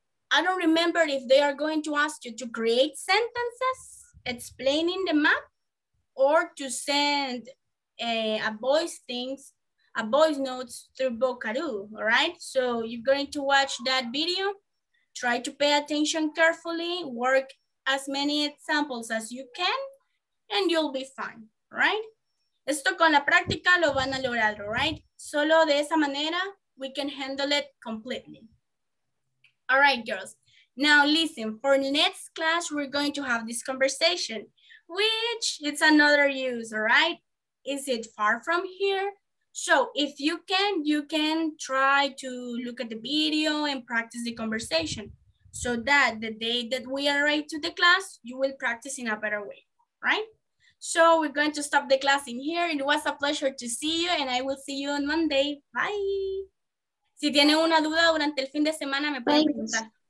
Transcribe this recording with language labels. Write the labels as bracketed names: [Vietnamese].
[English] I don't remember if they are going to ask you to create sentences explaining the map or to send a voice notes through Bocaru, all right? So you're going to watch that video. Try to pay attention carefully, work as many examples as you can, and you'll be fine, right? [Spanish] Esto con la práctica lo van a lograr, [English] all right? [Spanish] Solo de esa manera, [English] we can handle it completely. All right, girls. Now listen, for next class, we're going to have this conversation, which it's another use, all right? Is it far from here? So if you can, you can try to look at the video and practice the conversation. so that the day that we arrive to the class, you will practice in a better way, right? So we're going to stop the class in here. It was a pleasure to see you, and I will see you on Monday. Bye. [Spanish] Si tiene una duda durante el fin de semana, me puede preguntar.